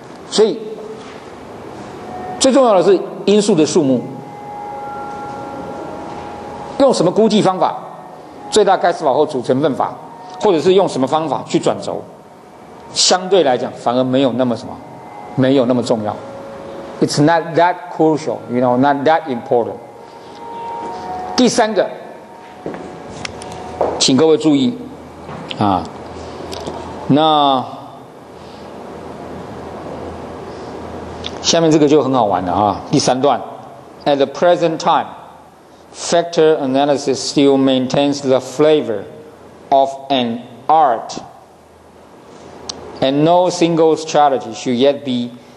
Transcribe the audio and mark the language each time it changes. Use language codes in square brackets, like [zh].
[zh] 所以最重要的是因素的数目，用什么估计方法，最大概式法或组成分法，或者是用什么方法去转轴，相对来讲反而没有那么什么，没有那么重要。 [en] It's not that crucial, you know, not that important. [zh] 第三个，请各位注意啊，那下面这个就很好玩了啊。第三段 [en] ，At the present time, factor analysis still maintains the flavor of an art, and no single strategy should yet be.